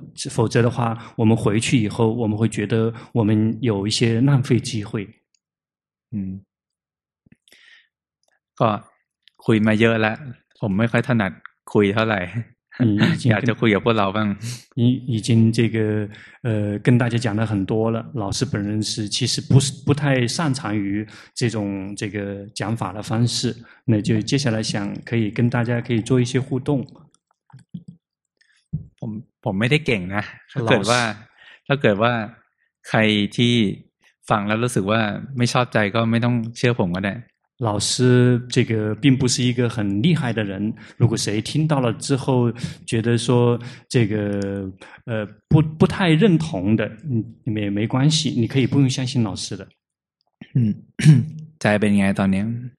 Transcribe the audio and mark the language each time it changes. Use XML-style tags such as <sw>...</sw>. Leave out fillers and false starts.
<zh>否则的话我们回去以后我们会觉得我们有一些浪费机会</zh> <th>ก็คุยมาเยอะแล้วผมไม่ค่อยถนัดคุยเท่าไหร่อยากจะคุยกับพวกเราบ้าง</th> <zh>已经这个跟大家讲了很多了老师本人是其实不太擅长于这种这个讲法的方式那就接下来想可以跟大家可以做一些互动</zh> <th>ผมไม่ได้เก่งนะถ้าเกิดว่าใครที่ฟังแล้วรู้สึกว่าไม่ชอบใจก็ไม่ต้องเชื่อผมก็ได้</th> <zh>老师这个并不是一个很厉害的人如果谁听到了之后觉得说这个不太认同的你们也没关系你可以不用相信老师的在北京爱当年</zh>